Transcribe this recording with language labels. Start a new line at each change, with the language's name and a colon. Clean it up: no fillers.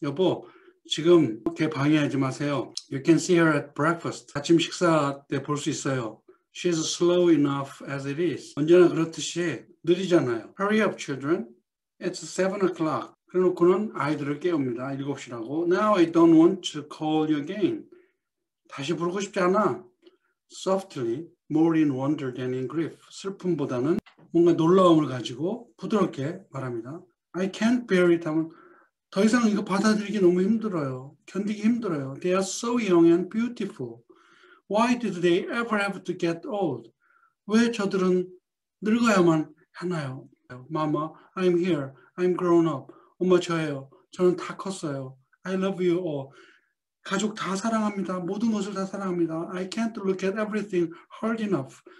Korean: 여보, 지금 걔 방해하지 마세요.
English: You can see her at breakfast.
Korean: 아침 식사 때볼수 있어요.
English: She's slow enough as it is.
Korean: 언제나 그렇듯이 느리잖아요.
English: Hurry up, children. It's 7 o'clock.
Korean: 그러고는 아이들을 깨웁니다. 7시라고.
English: Now I don't want to call you again.
Korean: 다시 부르고 싶지 않아.
English: Softly, more in wonder than in grief.
Korean: 슬픔보다는 뭔가 놀라움을 가지고 부드럽게 말합니다.
English: I can't bear it.
Korean: 더 이상 이거 받아들이기 너무 힘들어요. 견디기 힘들어요.
English: They are so young and beautiful. Why did they ever have to get old?
Korean: 왜 저들은 늙어야만 하나요?
English: Mama, I'm here. I'm grown up.
Korean: 엄마 저예요. 저는 다 컸어요.
English: I love you all.
Korean: 가족 다 사랑합니다. 모든 것을 다 사랑합니다.
English: I can't look at everything hard enough.